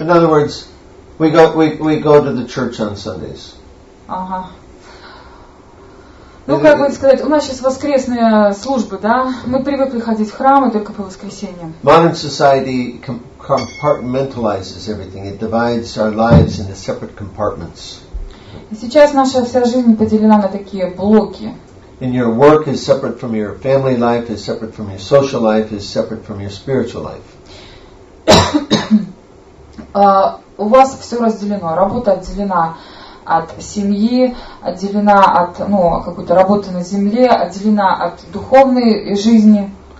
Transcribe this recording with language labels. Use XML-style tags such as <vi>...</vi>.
<en>In other words, we go to the church on Sundays.</en> <ru>Ну, как бы сказать, у нас сейчас воскресные службы, да? Мы привыкли ходить в храмы только по воскресеньям.</ru> <en>Modern society compartmentalizes everything. It divides our lives into separate compartments.</en> <ru>Сейчас наша вся жизнь поделена на такие блоки.</ru> <en>And your work is separate from your family life, is separate from your social life, is separate from your spiritual life.</en> <ru>У вас все разделено. Работа отделена от семьи, отделена от какой-то работы на земле, отделена от духовной жизни.</ru>